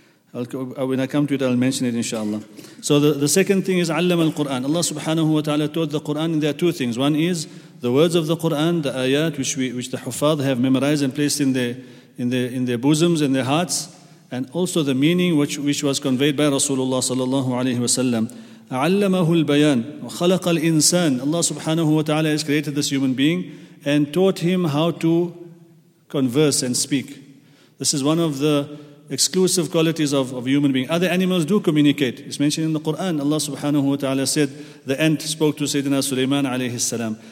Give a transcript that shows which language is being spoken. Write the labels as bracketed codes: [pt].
[en] When I come to it, I'll mention it, inshallah. So the second thing is [ar] علم القرآن. [en] Allah subhanahu wa ta'ala taught the Qur'an, and there are two things. One is the words of the Qur'an, the ayat, which the Huffaz have memorized and placed in their bosoms and their hearts, and also the meaning which was conveyed by Rasulullah sallallahu alayhi wa sallam. [ar] علمه البيان وخلق الإنسان. [en] Allah subhanahu wa ta'ala has created this human being and taught him how to converse and speak. This is one of the exclusive qualities of human being. Other animals do communicate. It's mentioned in the Quran. Allah subhanahu wa ta'ala said the ant spoke to Sayyidina Sulaiman alayhi salam.